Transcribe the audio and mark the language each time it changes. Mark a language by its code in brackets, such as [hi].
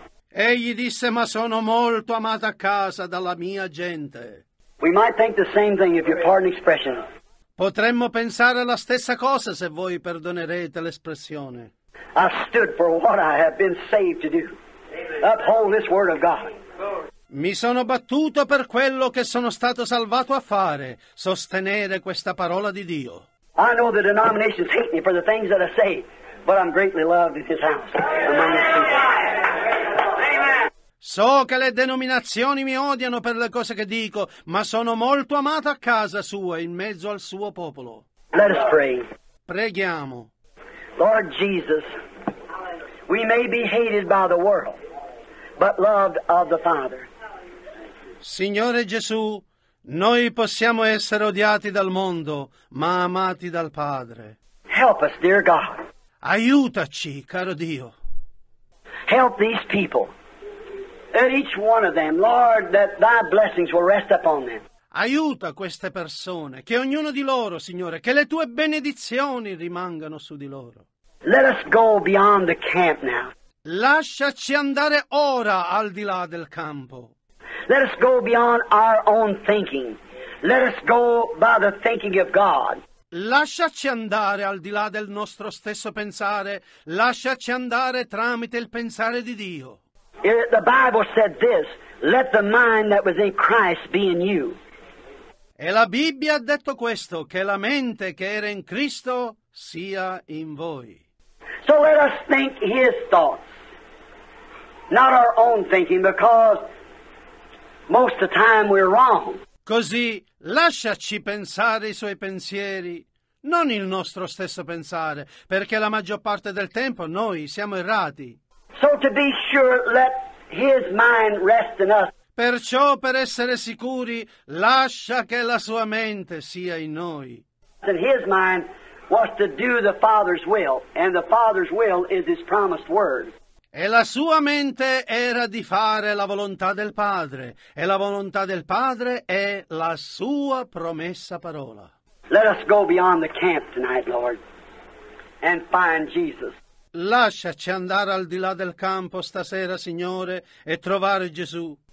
[it] Egli disse, ma sono molto amato a casa dalla mia gente. [en] We might think the same thing if you pardon expression. [it] Potremmo pensare la stessa cosa se voi perdonerete l'espressione. [en] I stood for what I have been saved to do. Uphold this word of God. [it] Mi sono battuto per quello che sono stato salvato a fare, sostenere questa parola di Dio. [en] I know the denominations hate me for the things that I say, but I'm greatly loved in His house among His people. [it] So che le denominazioni mi odiano per le cose che dico, ma sono molto amato a casa sua, in mezzo al suo popolo. [en] Let us pray. [it] Preghiamo. [en] Lord Jesus, we may be hated by the world, but loved of the Father. [it] Signore Gesù, noi possiamo essere odiati dal mondo, ma amati dal Padre. [en] Help us, dear God. [it] Aiutaci, caro Dio. [en] Help these people. That each one of them, Lord, that thy blessings will rest upon them. [it] Aiuta queste persone, che ognuno di loro, Signore, che le tue benedizioni rimangano su di loro. [en] Let us go beyond the camp now. [it] Lasciaci andare ora al di là del campo. [en] Let us go beyond our own thinking. Let us go by the thinking of God. [it] Lasciaci andare al di là del nostro stesso pensare. Lasciaci andare tramite il pensare di Dio. [en] The Bible said this, let the mind that was in Christ be in you. [it] E la Bibbia ha detto questo, che la mente che era in Cristo sia in voi. [en] So let us think his thoughts, not our own thinking, because most of the time we're wrong. [it] Così lasciaci pensare i suoi pensieri, non il nostro stesso pensare, perché la maggior parte del tempo noi siamo errati. [en] So to be sure, let his mind rest in us. [it] Perciò, per essere sicuri, lascia che la sua mente sia in noi. [en] And his mind was to do the Father's will, and the Father's will is his promised word. [it] E la sua mente era di fare la volontà del Padre, e la volontà del Padre è la sua promessa parola. [en] Let us go beyond the camp tonight, Lord, and find Jesus. [it] Lasciaci andare al di là del campo stasera, Signore, e trovare Gesù.